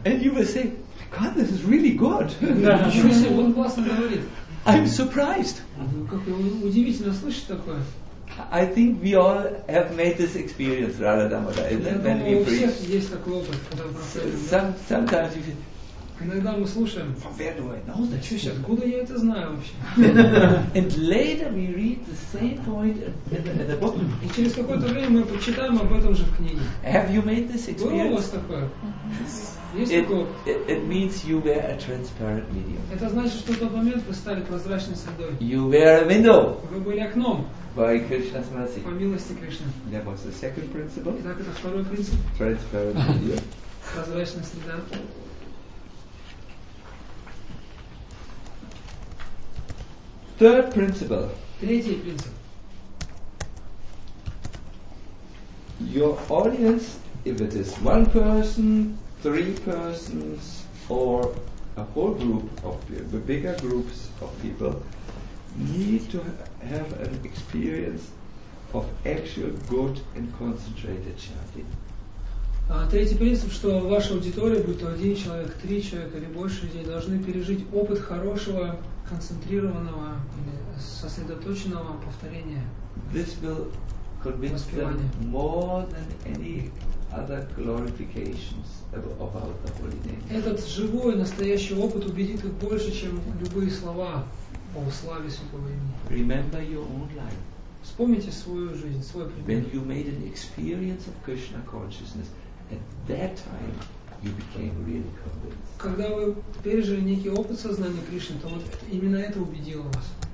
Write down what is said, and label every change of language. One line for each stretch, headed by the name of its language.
English: And you will say, God, this is really good.
Russian: Ничего себе, он классно говорит.
English: I'm surprised.
Russian: Ну, как удивительно слышать такое.
English: I think we all have made this experience, Radha Damodara, isn't it, when we preach?
Russian: У всех есть такой опыт, когда мы проходим.
English: Sometimes you feel,
Russian: иногда мы слушаем.
English: Where do I know that?
Russian: Чё, сейчас, откуда я это знаю вообще?
English: And later we read the same point in the book.
Russian: И через какое-то время мы почитаем об этом же в книге.
English: Have you made this experience?
Russian: Было у вас такое? Есть такое?
English: It means you were a transparent medium.
Russian: Это значит, что в тот момент вы стали прозрачной средой.
English: You were a window.
Russian: Вы были окном.
English: By Krishna's mercy.
Russian: По милости Кришны.
English: That was the second principle.
Russian: Итак, это второй принцип.
English: Transparent medium.
Russian: Прозрачная среда.
English: Third principle.
Russian: Третий принцип.
English: Your audience, if it is one person, three persons, or a whole group of people, bigger groups of people, need to have an experience of actual good and concentrated chanting.
Russian: Третий принцип, что ваша аудитория, будь то один человек, три человека или больше людей, должны пережить опыт хорошего, концентрированного, сосредоточенного повторения.
English: This will convince them more than any other glorifications about the holy name.
Russian: Этот живой, настоящий опыт убедит их больше, чем любые слова о славе Святого Имени.
English: Remember your own life.
Russian: Вспомните свою жизнь, свой пример.
English: When you made an experience of Krishna consciousness, at that time you became really convinced.
Russian: Когда вы пережили некий опыт сознания Кришны, то вот именно это убедило вас.